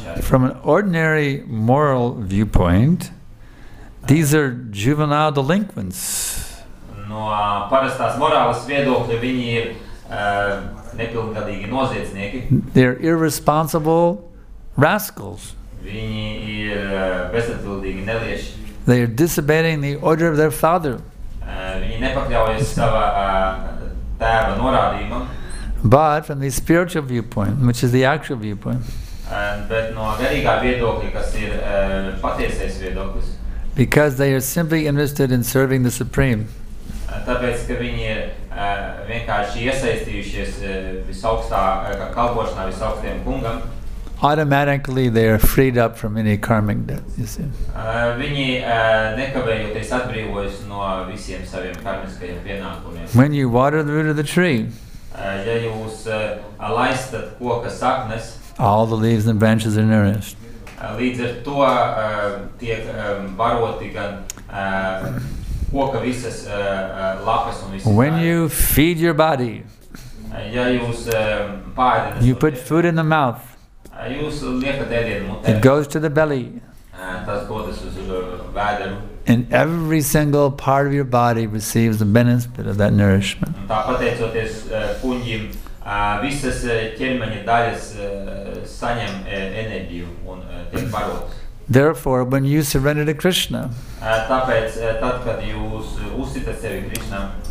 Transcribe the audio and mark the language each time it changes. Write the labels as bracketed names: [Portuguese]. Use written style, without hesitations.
[English] From an ordinary moral viewpoint, these are juvenile delinquents. [Latvian] No parastās morālas viedokļa viņi ir nepilngadīgi noziedznieki. [English] They're irresponsible rascals. [Latvian] Viņi ir bezatbildīgi nelieši. [English] They are disobeying the order of their father. [Latvian] Viņi nepakļaujas sava tēva norādījumam. [English] But from the spiritual viewpoint, which is the actual viewpoint, [Latvian] bet no garīgā viedokļa, kas ir patiesais viedoklis, [English] because they are simply interested in serving the Supreme. [Latvian] Tāpēc, ka viņi ir vienkārši iesaistījušies visaugstākā kalpošanā visaugstiem kungam, [English] automatically they are freed up from any karmic debt, you see. [Latvian] Viņi nekavējoties atbrīvojas no visiem saviem karmiskajiem pienākumiem. [English] When you water the root of the tree, [Latvian] ja jūs laistat koka saknes, [English] all the leaves and branches are nourished. [Latvian] Līdz ar to tiek baroti gan koka visas lapas un visas. [English] When you feed your body, [Latvian] ja jūs pārēdināt, [English] you put food in the mouth, [Latvian] jūs liekat ēdienu mutē, [English] it goes to the belly, [Latvian] tas dodas uz vēderu, [English] and every single part of your body receives the benefit of that nourishment. [Latvian] Tā pateicoties kuņģim, visas ķermeņa daļas saņem enerģiju un tiek barotas. [English] Therefore, when you surrender to Krishna, [Latvian] tāpēc, tad, kad jūs uzticat sevi Krishna,